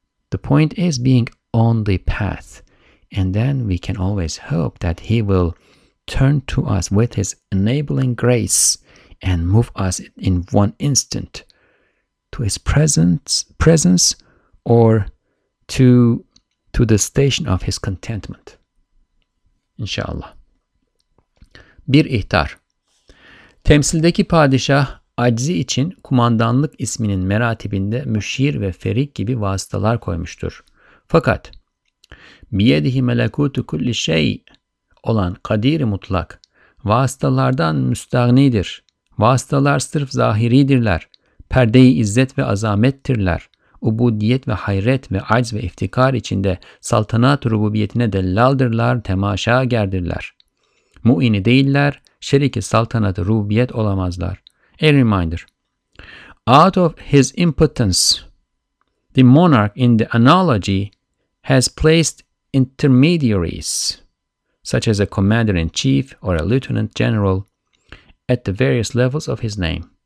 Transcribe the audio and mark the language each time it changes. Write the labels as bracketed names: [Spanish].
[English] The point is being on the path. And then we can always hope that he will turn to us with his enabling grace and move us in one instant to his presence or to the station of his contentment. [Turkish] İnşallah. Bir ihtar. Temsildeki padişah aczi için kumandanlık isminin meratibinde müşir ve ferik gibi vasıtalar koymuştur. Fakat biyedihi melekutu kulli şey olan kadir-i mutlak vasıtalardan müstağnidir. Vasıtalar sırf zahiridirler. Perde-i izzet ve azamettirler. ubudiyet ve hayret ve acz ve iftikar içinde saltanat-ı rububiyetine dellaldırlar, temaşa gerdirler. Mu'ini değiller, şeriki saltanat-ı rububiyet olamazlar. [English] A reminder. Out of his impotence, the monarch in the analogy has placed intermediaries, such as a commander-in-chief or a lieutenant general, at the various levels of his name.